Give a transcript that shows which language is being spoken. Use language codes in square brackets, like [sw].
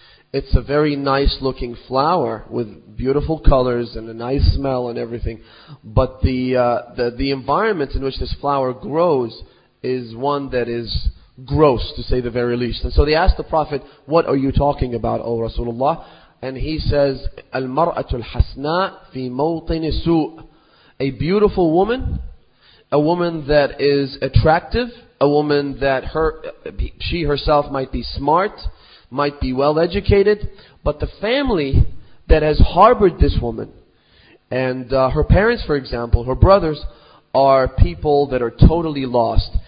[en] It's a very nice looking flower with beautiful colors and a nice smell and everything, but the environment in which this flower grows is one that is gross, to say the very least. And so they ask the Prophet, what are you talking about, O Rasulullah? And he says, [ar] المرأة الحسناء في موطن سوء. [en] A beautiful woman, a woman that is attractive, a woman that she herself might be smart, might be well educated, but the family that has harbored this woman, and her parents, for example, her brothers, are people that are totally lost.